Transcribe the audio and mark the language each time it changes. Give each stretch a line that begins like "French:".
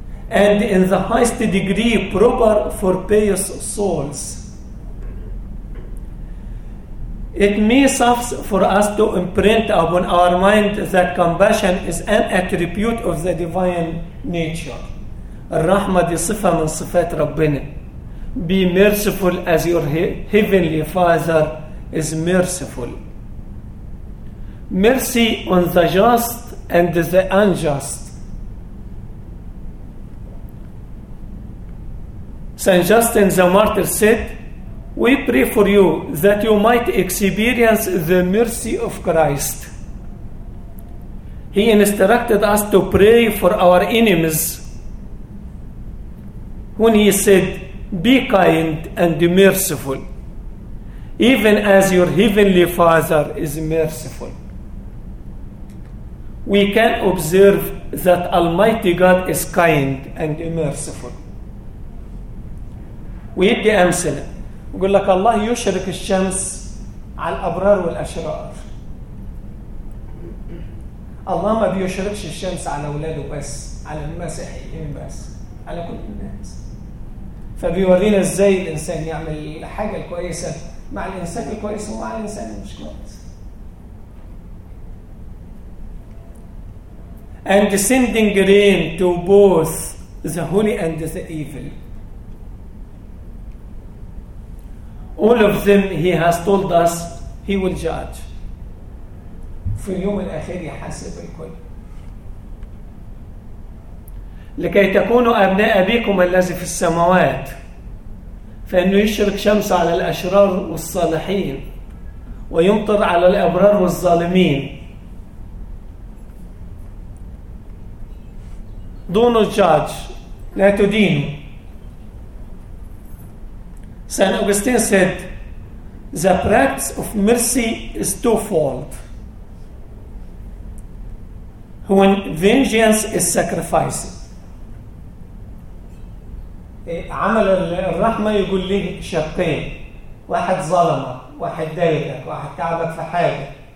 English: And in the highest degree proper for pious souls. It may suffice for us to imprint upon our mind that compassion is an attribute of the divine nature.
Arabic: الرحمة دي صفة من صفات ربنا.
English: Be merciful as your heavenly Father is merciful. Mercy on the just and the unjust. Saint Justin the Martyr said, we pray for you that you might experience the mercy of Christ. He instructed us to pray for our enemies when he said, be kind and merciful, even as your heavenly Father is merciful. We can observe that Almighty God is kind and merciful.
Arabic: ويدي أمثلة يقول لك الله يشرق الشمس على الأبرار والأشرار. الله ما بيشرقش الشمس على أولاده بس، على المسيحيين بس، على كل الناس. فبيورينا ازاي الانسان يعمل الحاجه الكويسه مع الانسان الكويس ومع الانسان مش كويس.
English: And sending rain to both the holy and the evil. All of them he has told us he will judge.
Arabic: في اليوم الاخير يحاسب الكل. لكي تكونوا ابناء ابيكم الذي في السماوات. فإنه يشرق شمس على الأشرار والصالحين ويمطر على الأبرار والظالمين. دون الجاج لا تدين.
English: Saint Augustine said, the practice of mercy is twofold. When vengeance is sacrificed.
Arabic: عمل الرحمة يقول لي شقين، واحد ظلمك، واحد ضايقك، واحد تعبك في حاجة.